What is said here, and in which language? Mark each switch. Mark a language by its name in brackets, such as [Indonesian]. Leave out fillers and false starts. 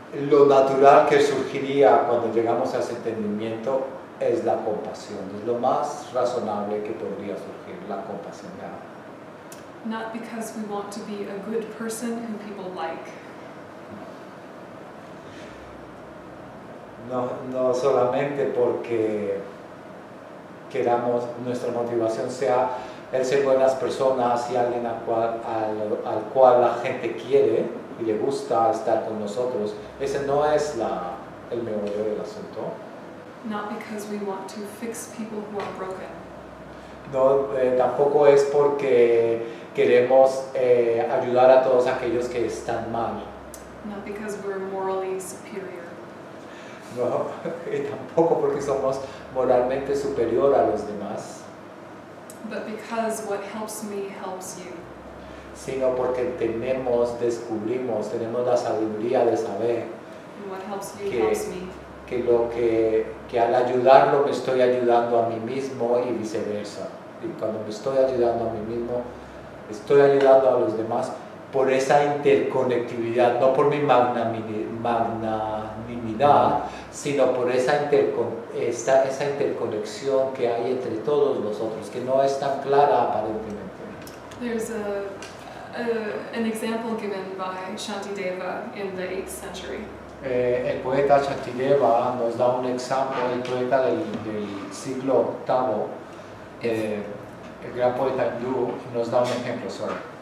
[Spanish] Lo natural que surgiría cuando llegamos a ese entendimiento es la compasión, es lo más razonable que podría surgir, la compasión. [English] Not because we want to be a good person who people like. [Spanish] No solamente porque queramos nuestra motivación sea el ser buenas personas y alguien al cual la gente quiere y le gusta estar con nosotros. Ese no es el meollo del asunto. [English] Not because we want to fix people who are broken. [Spanish] Tampoco es porque queremos ayudar a todos aquellos que están mal. [English] Not because we're morally superior. [Spanish] No, y tampoco porque somos moralmente superior a los demás. [English] But because what helps me helps you. [Spanish] Sino porque tenemos la sabiduría de saber. [English] And what helps you helps me. [Spanish] Que al ayudarlo me estoy ayudando a mí mismo y viceversa. Y cuando me estoy ayudando a mí mismo, estoy ayudando a los demás por esa interconectividad, no por mi magnanimidad, sino por esa interconexión que hay entre todos nosotros, que no es tan clara aparentemente. [English] There's an example given by Shantideva in the 8th century. [Spanish] El poeta Shantideva nos da un ejemplo, el poeta del siglo VIII, el gran poeta hindú, nos da un ejemplo, sorry.